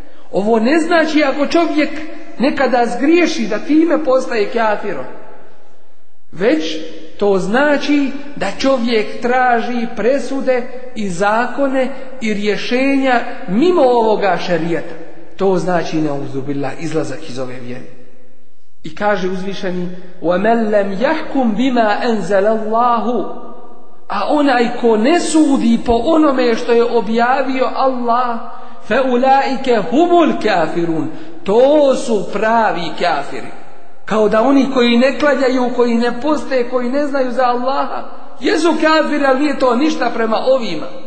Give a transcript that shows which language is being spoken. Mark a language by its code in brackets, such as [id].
[bs] Ovo ne znači ako čovjek nekada zgriješi da time postaje kafirom. Već to znači da čovjek traži presude i zakone i rješenja mimo ovoga šerijata. To znači neuzubila izlazak iz ove vjere. I kaže uzvišeni: [ar] وَمَنْ لَمْ يَحْكُمْ بِمَا أَنْزَلَ اللَّهُ. [bs] A onaj ko ne sudi po onome što je objavio Allah, [ar] فَأُولَٰئِكَ هُمُ الْكَافِرُونَ. [bs] To su pravi kafiri. Kao da oni koji ne klanjaju, koji ne poste, koji ne znaju za Allaha, jesu kafiri, ali nije to ništa prema ovima.